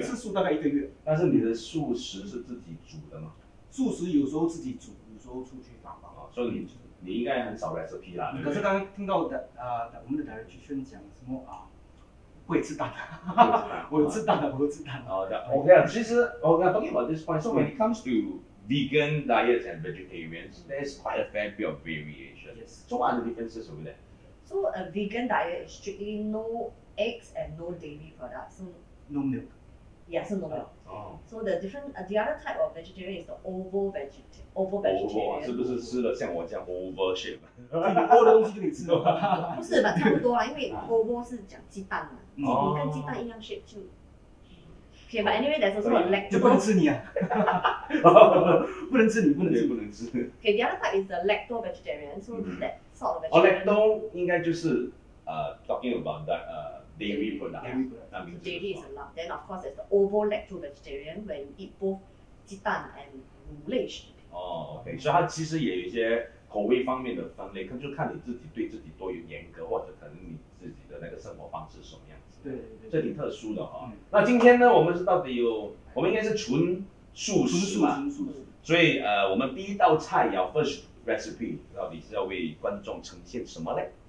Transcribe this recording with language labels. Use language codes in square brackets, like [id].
[zh] 吃素大概一个月。但是你的素食是自己煮的吗？素食有时候自己煮，有时候出去打包。所以你应该很少 recipe 啦。可是刚刚听到我们的 dietitian 讲什么啊？会吃蛋的，我吃蛋的，我吃蛋的。 [en] OK， [zh] 其实 [en] talking about this point， so when it comes to vegan diets and vegetarians， there's quite a fair bit of variation。 Yes。 So what are the differences over there？ So a vegan diet is strictly no eggs and no dairy products。 No milk。 Yeah, so no milk. So the different, the other type of vegetarian is the oval vegetarian. [zh] 是不是吃了像我这样 [en] oval shape？ [zh] 你哦的东西就可以吃了。不是吧，差不多啦，因为 oval 是讲鸡蛋嘛，你跟鸡蛋一样 shape 就。 [en] Okay, but anyway, there's also a lactose. [zh] 就不能吃你啊！不能吃你，不能吃，不能吃。 [en] Okay, the other type is the lactose vegetarian. So that sort of vegetarian. Lactose [zh] 应该就是 [en] talking about that dairy product. Dairy is allowed. Then of course, there's the oval lacto vegetarian when you eat both 鸡蛋 and [zh] 乳类食品。哦 ，OK， 所以它其实也有一些口味方面的分类，就看你自己对自己多有严格，或者可能你自己的那个生活方式什么样子。对，这挺特殊的哈。那今天呢，我们是到底有，我们应该是纯素食嘛？纯素食。所以我们第一道菜肴 [en] first recipe [zh] 到底是要为观众呈现什么呢？